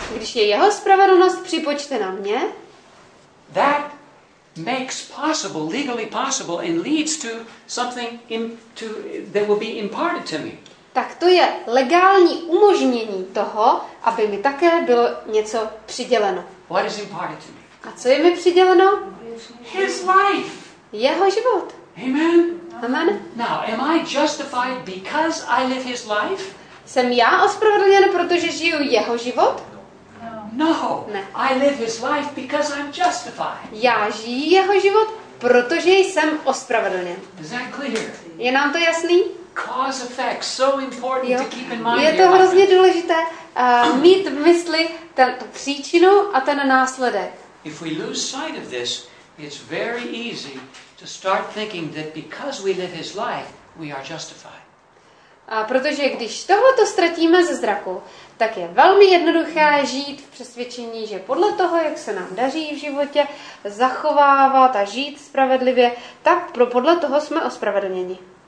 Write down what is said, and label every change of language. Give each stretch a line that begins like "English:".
Czech: když je jeho spravedlnost připočtena mně,
English: that makes possible, legally possible, and leads to something that will be imparted to me.
Czech: Tak to je legální umožnění toho, aby mi také bylo něco přiděleno.
English: What is imparted to me?
Czech: A co je mi přiděleno?
English: His life.
Czech: Jeho život.
English: Amen.
Czech: Amen.
English: Now, am I justified because I live his life?
Czech: Jsem já ospravedlněn, protože žiju jeho život?
English: No.
Czech: Ne.
English: I live his life because I'm justified.
Czech: Já žiju jeho život, protože jsem ospravedlněn.
English: Is that clear?
Czech: Je nám to jasný?
English: Cause effect, so important to keep in mind.
Czech: Je to hrozně důležité mít v mysli tu příčinu a ten následek.
English: If we lose sight of this, it's very easy to start thinking that because we live his life, we are justified.
Czech: A protože když tohoto ztratíme ze zraku, tak je velmi jednoduché žít v přesvědčení, že podle toho, jak se nám daří v životě zachovávat a žít spravedlivě, tak podle toho jsme ospravedlněni.